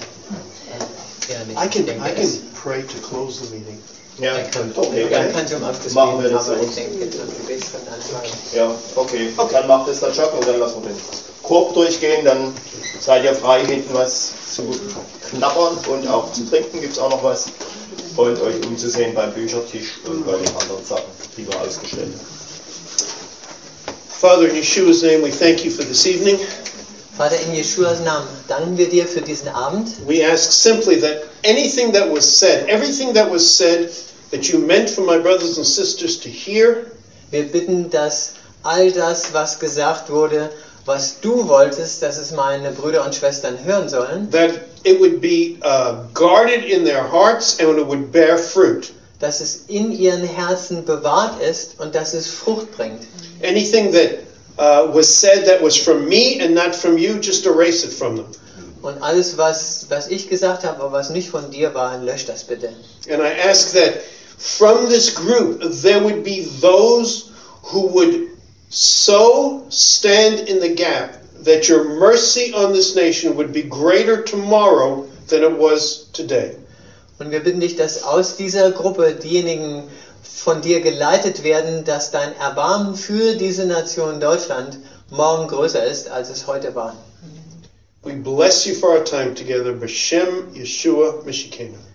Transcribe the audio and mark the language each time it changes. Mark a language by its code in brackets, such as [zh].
[en] I can pray to close the meeting. [de] Okay, dann macht es der Chuck und dann lassen wir den Korb durchgehen, dann seid ihr frei, hinten was zu knabbern und auch zu trinken, gibt es auch noch was. Und euch umzusehen beim Büchertisch und bei den anderen Sachen, die wir ausgestellt haben. [en] Father, in Yeshua's name, we thank you for this evening. [de] Vater, in Yeshua's Namen, danken wir dir für diesen Abend. [en] We ask simply that anything that was said, everything that was said, that you meant for my brothers and sisters to hear. [de] Wir bitten, dass all das, was gesagt wurde, was du wolltest, dass es meine Brüder und Schwestern hören sollen. [en] That it would be guarded in their hearts and it would bear fruit. [de] Dass es in ihren Herzen bewahrt ist und dass es Frucht bringt. [en] Anything that was said that was from me and not from you, just erase it from them. [de] Und alles, was ich gesagt habe, aber was nicht von dir war, lösch das bitte. [en] And I ask that from this group there would be those who would so stand in the gap that your mercy on this nation would be greater tomorrow than it was today. [de] Und wir bitten dich, dass aus dieser Gruppe diejenigen von dir geleitet werden, dass dein Erbarmen für diese Nation Deutschland morgen größer ist, als es heute war. [en] We bless you for our time together, [he] B'shem Yeshua Mishikenu.